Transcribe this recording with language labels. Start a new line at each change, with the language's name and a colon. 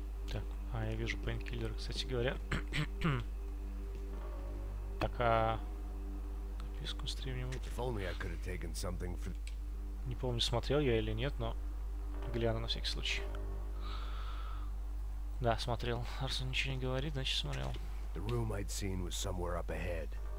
Russian: Так, а я вижу пейнкиллер, кстати говоря. Так, а подписку стримнивают.
English: If only I could have taken something for...
Russian: Не помню, смотрел я или нет, но гляну на всякий случай. Да, смотрел. Арсен ничего не говорит, значит смотрел.
English: The room I'd seen was somewhere up ahead.